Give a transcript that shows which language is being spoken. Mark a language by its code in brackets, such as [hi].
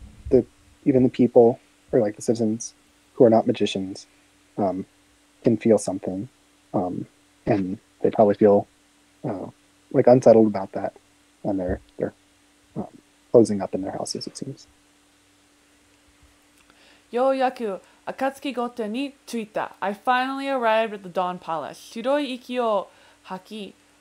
[en] The people or the citizens who are not magicians, can feel something. And they probably feel unsettled about that, and they're closing up in their houses, it seems. [ja] ようやく暁御殿に着いた。 [en] I finally arrived at the Dawn Palace. [ja] 白い息を吐き、